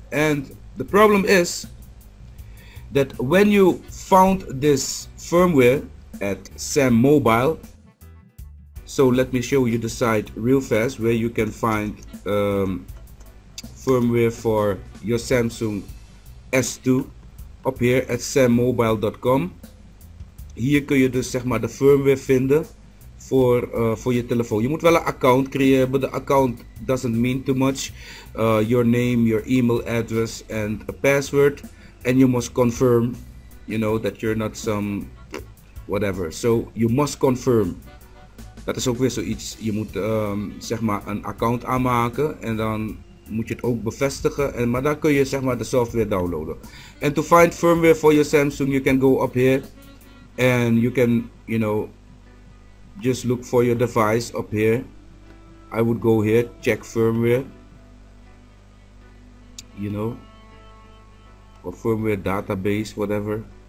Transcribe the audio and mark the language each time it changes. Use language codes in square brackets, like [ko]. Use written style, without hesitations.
[en] And the problem is that when you found this firmware at Sam Mobile, so let me show you the site real fast where you can find firmware for your Samsung S2 up here at sammobile.com. [nl] Hier kun je dus zeg maar de firmware vinden voor je telefoon. Je moet wel een account creëren, [en] but the account doesn't mean too much. Your name, your email address and a password, and you must confirm, you know, that you're not some whatever. So you must confirm. [nl] Dat is ook weer zoiets. Je moet zeg maar een account aanmaken en dan moet je het ook bevestigen. En maar dan kun je zeg maar de software downloaden. [en] And to find firmware for your Samsung, you can go up here and you can, you know, just look for your device up here. I would go here, check firmware, you know, or firmware database, whatever.